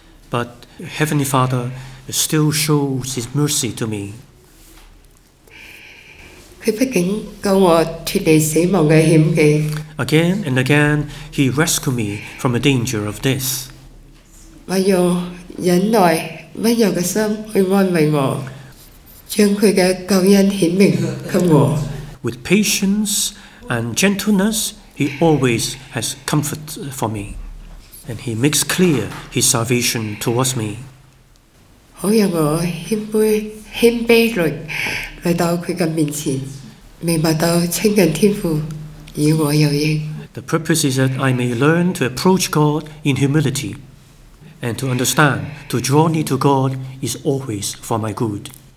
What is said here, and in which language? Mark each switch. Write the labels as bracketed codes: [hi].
[en] But Heavenly Father still shows His mercy to me. [yue] 佢毕竟救我脱离死亡嘅险境。 [en] Again and again, He rescued me from the danger of death. [yue] 我用忍耐温柔的心去安慰我，将佢嘅救恩显明给我。 [en] With patience and gentleness, He always has comfort for me, and He makes clear His salvation towards me. [yue] 好让我谦卑来到佢嘅面前，明白到亲近天父。 [en] The purpose is that I may learn to approach God in humility, and to understand to draw near to God is always for my good.